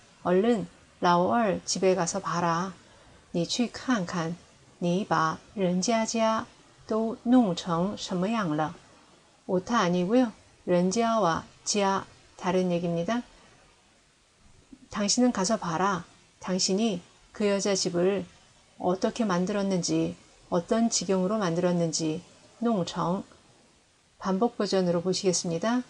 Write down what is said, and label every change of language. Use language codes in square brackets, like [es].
[ko] 얼른老二집에가서봐라。 [zh] 你去看看，你把人家家都弄成什么样了？ [ko] 오타아니고요，人家와家다른얘기입니다。 당신은가서봐라。 당신이그여자집을어떻게 만들었는지, 어떤 지경으로 만들었는지, 농청. 반복 버전으로 보시겠습니다.